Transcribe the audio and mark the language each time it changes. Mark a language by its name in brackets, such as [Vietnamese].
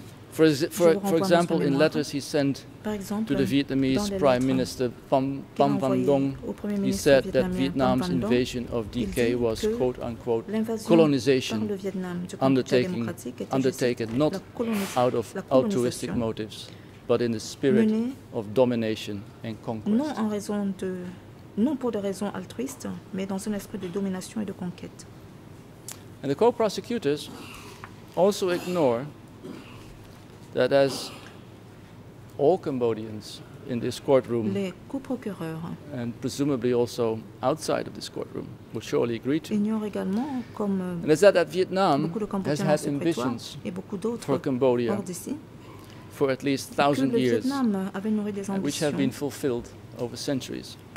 [English] For example, in letters he sent to the Vietnamese Prime Minister Pham Van Dong, he said that Vietnam's invasion of DK was, quote-unquote, colonization undertaken not out of altruistic motives, but in the spirit of domination and conquest. [French] Non pour des raisons altruistes, mais dans un esprit de domination et de conquête. [English] And the co-prosecutors also ignore that as all Cambodians in this courtroom, and presumably also outside of this courtroom, will surely agree to, and is that Vietnam has had ambitions for Cambodia for at least 1,000 years, which have been fulfilled over centuries.